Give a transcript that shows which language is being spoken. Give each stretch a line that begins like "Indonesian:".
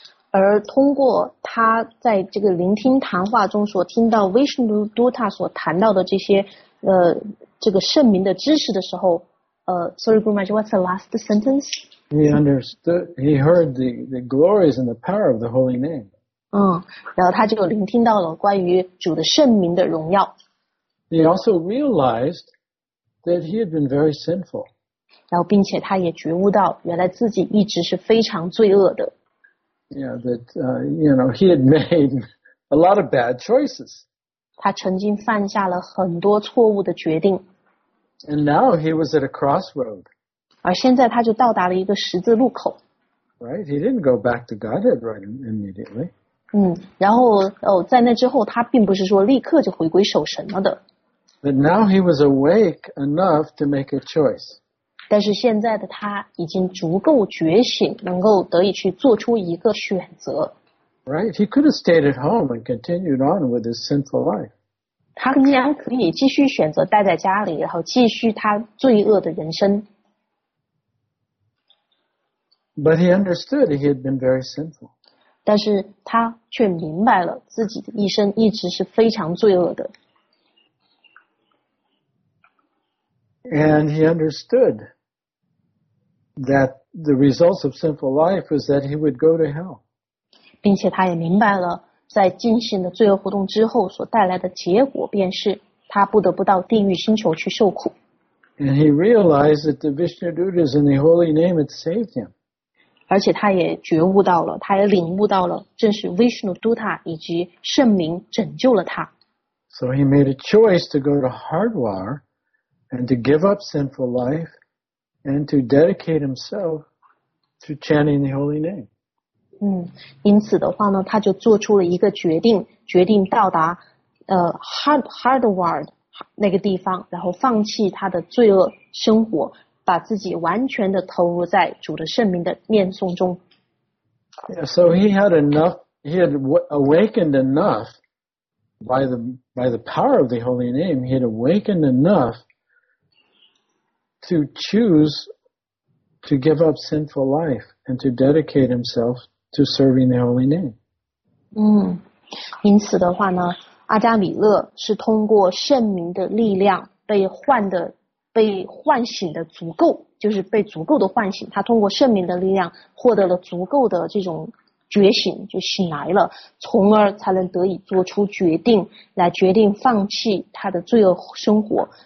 Chinese: 而通过他在这个聆听谈话中所听到 Vishnudutta 所谈到的这些这个圣名的知识的时候
English: sorry, Guru Maharaj, what's the last sentence? He understood, he heard the glories and the power of the holy name.
Chinese: 然后他就聆听到了关于主的圣名的荣耀。
English: He also realized that he had been very sinful.
Chinese: 然后并且他也觉悟到原来自己一直是非常罪恶的。
English: Yeah, that, you know, he had made a lot of bad choices.
Chinese: 他曾经犯下了很多错误的决定。
English: And now he was at a crossroad.
Chinese: 而现在他就到达了一个十字路口。
English: Right, he didn't go back to Godhead right immediately.
Chinese: 然后在那之后他并不是说立刻就回归守神了的。
English: But now he was awake enough to make a choice.
Chinese: 但是现在的他已经足够觉醒，能够得以去做出一个选择。
English: Right, he could have stayed at home and continued on with his sinful life.
Chinese: 他依然可以继续选择待在家里，然后继续他罪恶的人生。
English: But he understood he had been very sinful.
Chinese: 但是他却明白了自己的一生一直是非常罪恶的。
English: And he understood that the results of sinful life was that he would go to hell.
Chinese: 并且他也明白了在进行的罪恶活动之后所带来的结果便是他不得不到地狱星球去受苦。
English: And he realized that the Vishnudutas and the holy name had saved him.
Chinese: 而且他也觉悟到了，他也领悟到了正是 Vishnudutta 以及圣名拯救了他。
English: So he made a choice to go to Hardwar and to give up sinful life, and to dedicate himself to chanting the holy name.
Chinese: 因此的话呢，他就做出了一个决定，决定到达Hardwar 那个地方，然后放弃他的罪恶生活，把自己完全的投入在主的圣名的念诵中。
English: Yeah, so he had awakened enough by the power of the holy name. He had awakened enough to choose to give up sinful life and to dedicate himself to serving the holy name.
Chinese: 因此的话呢，阿加米勒是通过圣名的力量被唤醒的足够，就是被足够的唤醒。他通过圣名的力量获得了足够的这种觉醒，就醒来了，从而才能得以做出决定，来决定放弃他的罪恶生活。